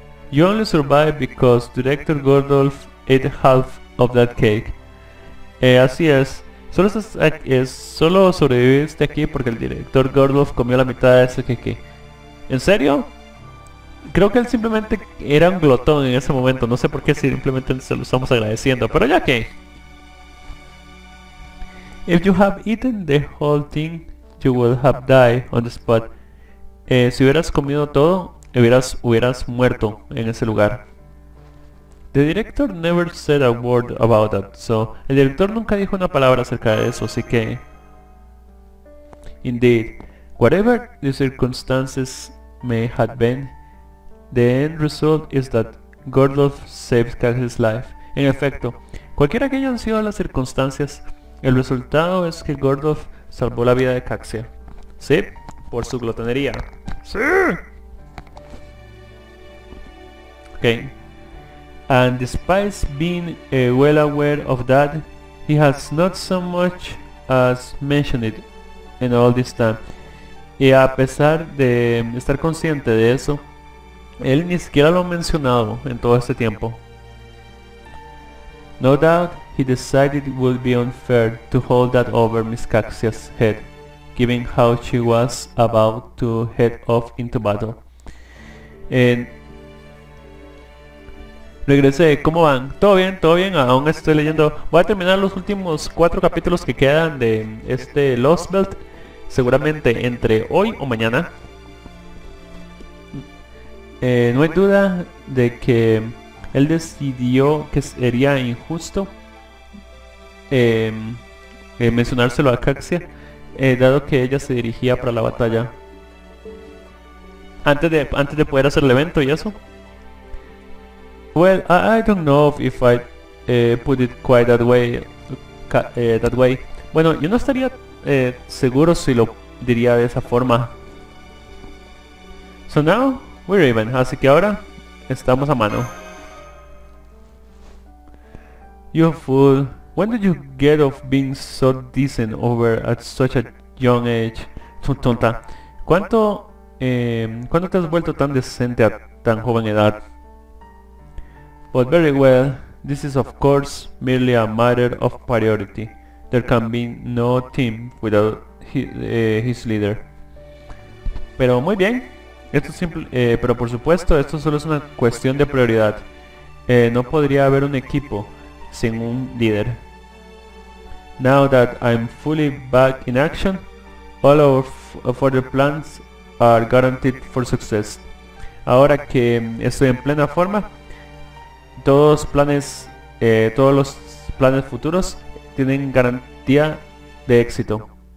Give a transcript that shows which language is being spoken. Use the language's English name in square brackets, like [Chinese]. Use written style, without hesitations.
[English] You only survived because Director Gordolf ate half of that cake. [Spanish] Así es. Solo sobreviviste aquí porque el director Gordolf comió la mitad de ese cake. ¿En serio? Creo que él simplemente era un glotón en ese momento. No sé por qué, simplemente se lo estamos agradeciendo. Pero ya que. [English] If you have eaten the whole thing, you would have died on the spot. [Spanish] Si hubieras comido todo, hubieras muerto en ese lugar. [English] The director never said a word about that. [Spanish] So, el director nunca dijo una palabra acerca de eso, así que... [English] Indeed, whatever the circumstances may have been, the end result is that Gordon saved Cassie's life. [Spanish] En efecto, cualquiera que hayan sido las circunstancias, el resultado es que Gordon salvó la vida de Caxia. ¿Sí? Por su glotonería. ¡Sí! Ok. [English] And despite being well aware of that, he has not so much as mentioned it in all this time. [Spanish] Y a pesar de estar consciente de eso, él ni siquiera lo ha mencionado en todo este tiempo. [English] No doubt he decided it would be unfair to hold that over Miss Caxia's head, given how she was about to head off into battle. [Spanish] Regresé, ¿cómo van? ¿Todo bien? ¿Todo bien? Aún estoy leyendo. Voy a terminar los últimos 4 capítulos que quedan de este Lost Belt. Seguramente entre hoy o mañana. No hay duda de que él decidió que sería injusto mencionárselo a Caxia, dado que ella se dirigía para la batalla antes de poder hacer el evento y eso. [English] Well, I don't know if I put it quite that way. [Spanish] Bueno, yo no estaría seguro si lo diría de esa forma. [English] So now we're even. [Spanish] Así que ahora estamos a mano. [English] You fool. When did you get off being so decent over at such a young age? [Spanish] Tonta. ¿Cuándo te has vuelto tan decente a tan joven edad? [English] But very well, this is of course merely a matter of priority. There can be no team without his leader. [Spanish] Pero muy bien. Esto es simple, pero por supuesto, esto solo es una cuestión de prioridad. No podría haber un equipo sin un líder. [English] Now that I'm fully back in action, all our further plans are guaranteed for success. [Spanish] Ahora que estoy en plena forma, todos los planes futuros tienen garantía de éxito.